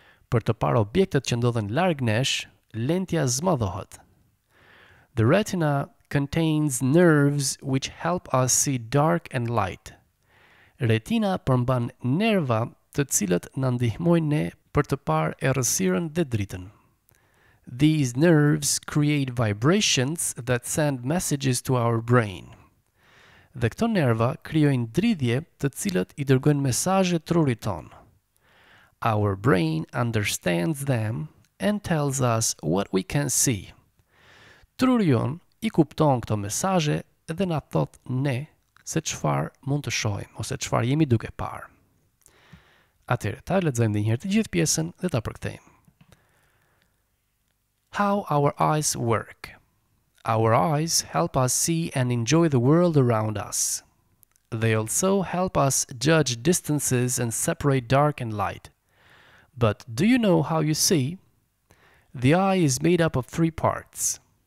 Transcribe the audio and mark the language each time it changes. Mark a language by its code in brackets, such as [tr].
[sq] Për të parë objektet që ndodhen larg nesh, lentja zmadhohet. [en] The retina contains nerves which help us see dark and light. [sq] Retina përmban nerva të cilët na ndihmojnë ne për të parë errësirën dhe dritën. [en] These nerves create vibrations that send messages to our brain. [sq] Dhe këto nerva krijojnë dridhje të cilët I dërgojnë mesazhe trurit ton. [en] Our brain understands them and tells us what we can see. [sq] Truri jon I kupton këto mesazhe dhe na thot ne se çfarë mund të shohim ose çfarë jemi duke parë. Atëherë, ta lexojmë edhe një herë të gjithë pjesën dhe ta përkthejmë. [en] How our eyes work. Our eyes help us see and enjoy the world around us. They also help us judge distances and separate dark and light. But do you know how you see? The eye is made up of three parts.